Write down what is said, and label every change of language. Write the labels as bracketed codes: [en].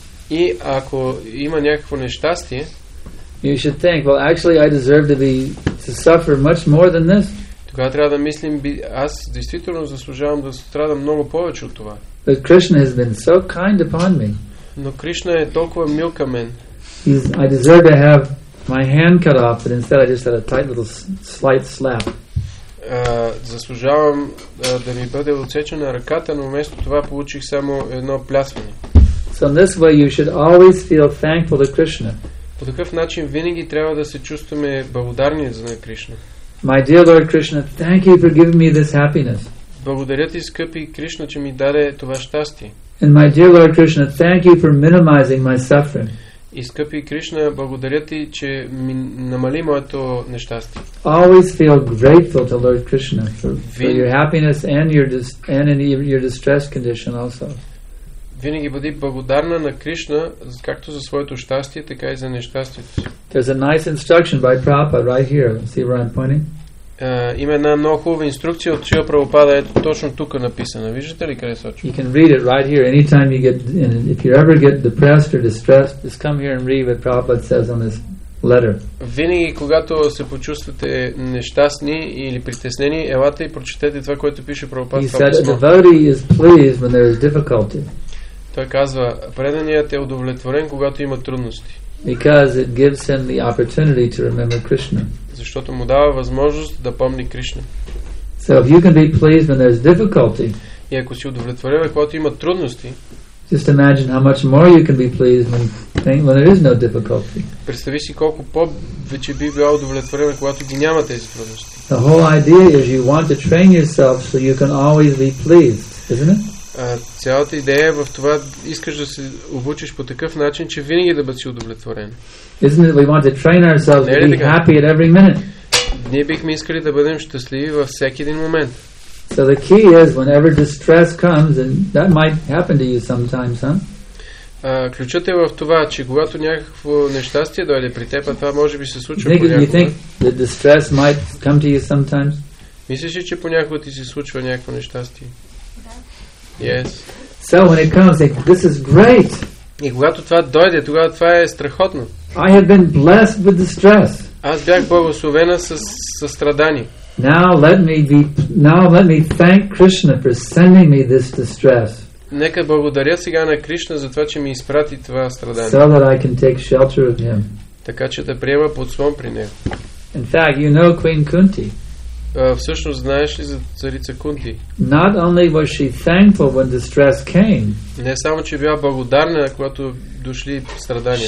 [bg] и ако има някакво нещастие, [en] You should think, well, actually I deserve to suffer much more than this. [bg] Тогава трябва да мислим, аз действително заслужавам да страдам много повече от това. [en] But Krishna has been so kind upon me. [bg] Но Кришна е толкова мил към мен. [en] I deserve to have my hand cut off, but instead I just had a tight little slight slap. [bg] Заслужавам да ми бъде отсечена ръката, но вместо това получих само едно плясване. [en] So in this way you should always feel thankful to Krishna. [bg] По такъв начин винаги трябва да се чувстваме благодарни за Кришна. [en] My dear Lord Krishna, thank you for giving me this happiness. [bg] Благодаря ти, скъпи Кришна, че ми даде това щастие. [en] And my dear Lord Krishna, thank you for minimizing my suffering. [bg] И скъпи Кришна, благодаря ти, че ми намали моето нещастие. [en] Always feel grateful to Lord Krishna for your happiness and your distress condition also. [bg] Винаги бъди благодарна на Кришна както за своето щастие, така и за нещастието. [en] There's a nice instruction by Prabhupada right here. See where I'm pointing? [bg] Има една много хубава инструкция от Шрила Прабхупада, ето точно тук написана. Виждате ли къде сочи? [en] You can read it right here anytime you get in, if you ever get depressed or distressed, just come here and read what Prabhupada says on this letter. [bg] Винаги когато се почувствате нещастни или притеснени, елате и прочетете това, което пише Прабхупада. [en] He said, a devotee is pleased when there is difficulty. [bg] Той казва, преданият е удовлетворен, когато има трудности. [en] Because it gives him the opportunity to remember Krishna. [bg] Защото му дава възможност да помни Кришна. [en] So if you can be pleased when there's difficulty. [bg] И ако си удовлетворен, когато има трудности. [en] Just imagine how much more you can be pleased when there is no difficulty. [bg] Представи си колко повече би бил удовлетворен, когато ги няма тези трудности. [en] The whole idea is you want to train yourself so you can always be pleased, isn't it? [bg] Цялата идея е в това искаш да се обучиш по такъв начин, че винаги да бъдеш удовлетворен. [en] Isn't it we want to train ourselves to be happy at every minute? [bg] Ние бихме искали да бъдем щастливи във всеки един момент. [en] So the key is whenever distress comes, and that might happen to you sometimes, huh? [bg] Ключът е в това, че когато някакво нещастие дойде при теб, а това може би се случва понякога. [en] You think that distress might come to you sometimes? [bg] Мислиш ли, че понякога ти се случва някакво нещастие? [en] Yes. So when it comes, this is great. [bg] И когато това дойде, тогава това е страхотно. [en] I have been blessed with distress. [bg] Аз бях благословена с страдание. [en] Now let me thank Krishna for sending me this distress. [bg] Нека благодаря сега на Кришна за това, че ми изпрати това страдание. [en] So that I can take shelter of him. [bg] Така че да приема подслон при него. [en] In fact, you know Queen Kunti. [bg] Всъщност знаеш ли за царица Кунти? [en] Not only was she thankful when distress came. [bg] Не само че била благодарна, когато дошли страдания.